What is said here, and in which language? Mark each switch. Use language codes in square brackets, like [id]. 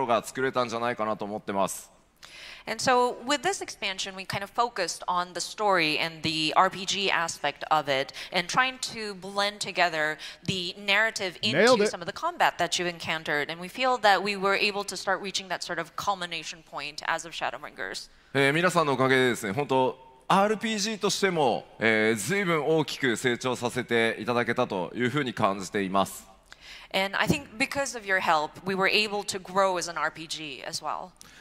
[ja] 特にですね、ファイナルファンタジー14MMORPGではありますが、RPGとしてどれだけこう質の高いストーリー、それからバトルの融合というのを目標にやってきたんですけど、その集大成に近いところが作れたんじゃないかなと思ってます。 [en] And so with this expansion, we kind of focused on the story and the RPG aspect of it and trying to blend together the narrative into some of the combat that you encountered. And we feel that we were able to start reaching that sort of culmination point as of Shadowbringers. [ja] 皆さんのおかげでですね、本当RPGとしても随分大きく成長させていただけたというふうに感じています。 [en] And I think because of your help, we were able to grow as an RPG as well.